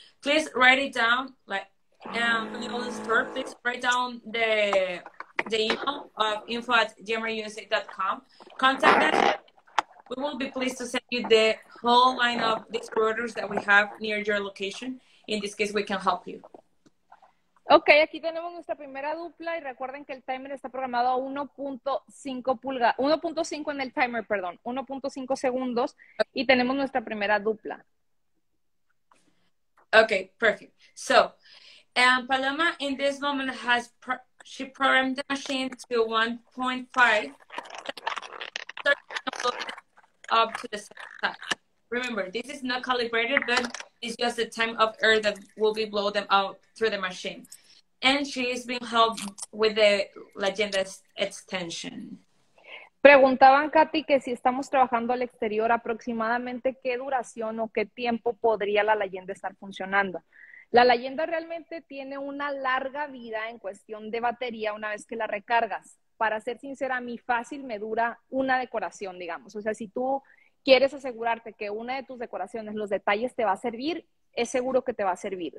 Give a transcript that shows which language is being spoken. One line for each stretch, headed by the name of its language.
English: Please write it down, like, on the store, please write down the email of info@gemmerusa.com. Contact us. We will be pleased to send you the whole line of distributors that we have near your location. In this case, we can help you.
Spanish: Ok, aquí tenemos nuestra primera dupla y recuerden que el timer está programado a 1.5 pulgadas, 1.5 en el timer, perdón, 1.5 segundos y tenemos nuestra primera dupla.
English: Ok, perfect. So, Paloma in this moment has, she programmed the machine to 1.5 up to the second time. Remember, this is not calibrated, but it's just the time of air that will be blow them out through the machine. And she's been helped with the leyenda's extension.
Spanish: Preguntaban, Katy, que si estamos trabajando al exterior, aproximadamente qué duración o qué tiempo podría la leyenda estar funcionando. La leyenda realmente tiene una larga vida en cuestión de batería una vez que la recargas. Para ser sincera, a mí fácil me dura una decoración, digamos. O sea, si tú quieres asegurarte que una de tus decoraciones, los detalles te va a servir, es seguro que te va a servir.